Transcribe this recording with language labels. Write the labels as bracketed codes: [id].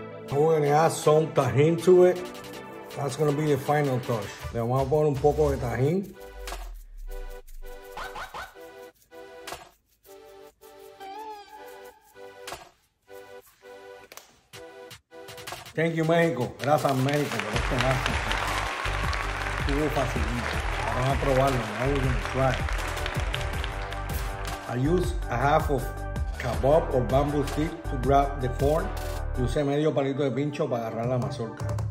[en] Now we're gonna add some tajín to it. That's gonna be the final touch. [es] Le vamos a poner un poco de tajín. [en] Thank you, México. [es] Gracias, México, por este nazi. Estuvo facilito. Vamos a probarlo. [en] Now we're gonna try. I use a half of kebab or bamboo stick to grab the corn. [es] Y usé medio palito de pincho para agarrar la mazorca.